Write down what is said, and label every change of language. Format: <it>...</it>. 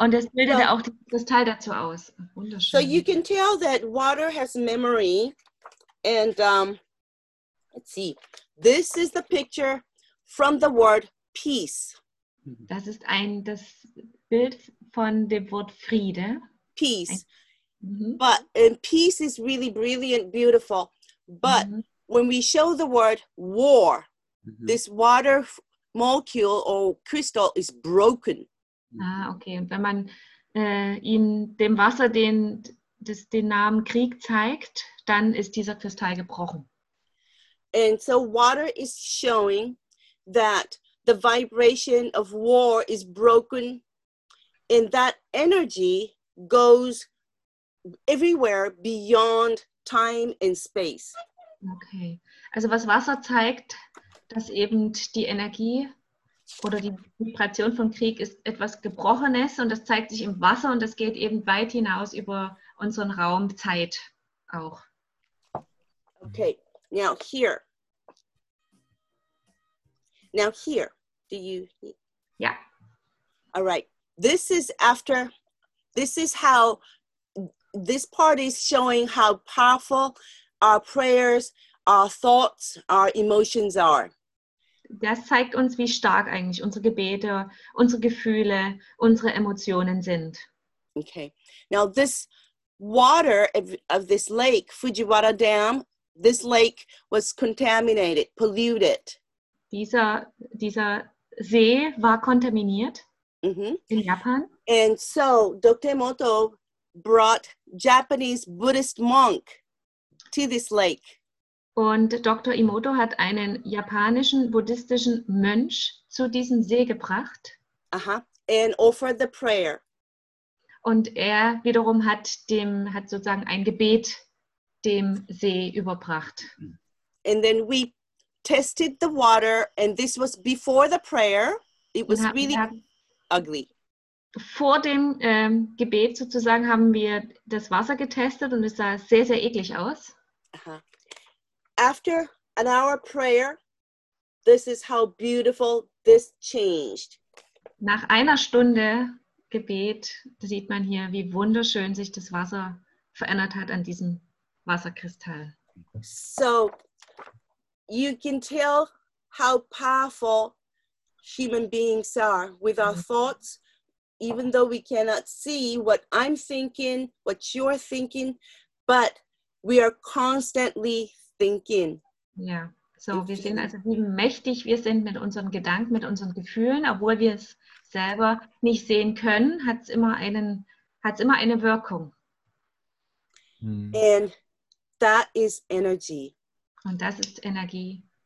<de>Und es bildete auch das Teil dazu aus. Wunderschön.</de> <en>So you can tell that water has memory. And let's see. This is the picture from the word peace.</en> <de>Das ist das Bild von dem Wort Friede.</de> <en>Peace. But and peace is really brilliant, beautiful. But when we show the word war, this water molecule or crystal is broken. Ah, okay.</en> <de>Und wenn man ihm dem Wasser den Namen Krieg zeigt, dann ist dieser Kristall gebrochen.</de> <en>And so water is showing that the vibration of war is broken, and that energy goes everywhere beyond time and space. Okay.</en> <de>Also was Wasser zeigt, dass eben die Energie oder die Vibration von Krieg ist etwas Gebrochenes und das zeigt sich im Wasser und das geht eben weit hinaus über unseren Raum, Zeit auch.</de> <en>Okay, now here, do you? Yeah. All right, this is how, this part is showing how powerful our prayers, our thoughts, our emotions are.</en> <de>Das zeigt uns, wie stark eigentlich unsere Gebete, unsere Gefühle, unsere Emotionen sind.</de> <en>Okay. Now this water of this lake, Fujiwara Dam, this lake was contaminated, polluted.</en> <de>Dieser See war kontaminiert in Japan.</de> <en>And so Dr. Moto brought Japanese Buddhist monk to this lake.</en> <de>Und Dr. Imoto hat einen japanischen buddhistischen Mönch zu diesem See gebracht.</de> <en>Aha, and offered the prayer.</en> <de>Und er wiederum hat sozusagen ein Gebet dem See überbracht.</de> <en>And then we tested the water, and this was before the prayer. It was really ugly.</en> <de>Vor dem Gebet sozusagen haben wir das Wasser getestet und es sah sehr, sehr eklig aus. Aha.</de> <en>After an hour prayer, this is how beautiful this changed.</en> <de>Nach einer Stunde Gebet sieht man hier, wie wunderschön sich das Wasser verändert hat an diesem Wasserkristall.</de> <en>So, you can tell how powerful human beings are with our thoughts, even though we cannot see what I'm thinking, what you're thinking, but we are constantly thinking.</en> <de>Ja, so wir sehen also, wie mächtig wir sind mit unseren Gedanken, mit unseren Gefühlen, obwohl wir es selber nicht sehen können, hat es immer eine Wirkung.</de> <en>And that is energy.</en> <de>Und das ist Energie.</de>